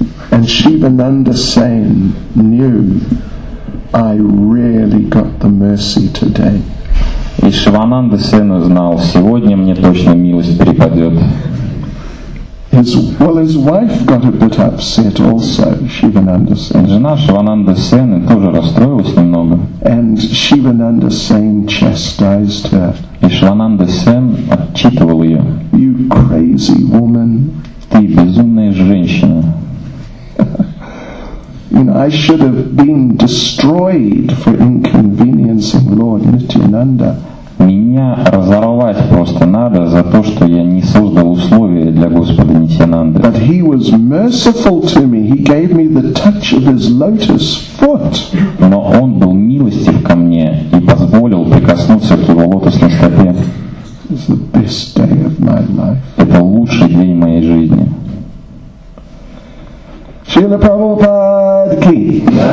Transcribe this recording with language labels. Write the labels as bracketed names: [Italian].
[English] And Shivananda Sen knew, I really got the mercy today. [Russian] И Шивананда Сен знал, сегодня мне точно милость припадет. [English] His wife got a bit upset also, Shivananda Sen. [Russian] Жена Шивананда Сен тоже расстроилась немного. [English] And Shivananda Sen chastised her. [Russian] И Шивананда Сен отчитывал ее. [English] You crazy woman. [Russian] Ты безумная женщина. [English] You know, I should have been destroyed for inconveniencing Lord Nityananda. [Russian] Меня разорвать просто надо за то, что я не создал условия для Господа Нитьянанды. [English] But he was merciful to me. He gave me the touch of his lotus foot. [Russian] Но он был милостив ко мне и позволил прикоснуться к его лотосной стопе. [English] It's the best day of my life. [Russian] Это лучший день моей жизни. Шрила Прабхупад ки.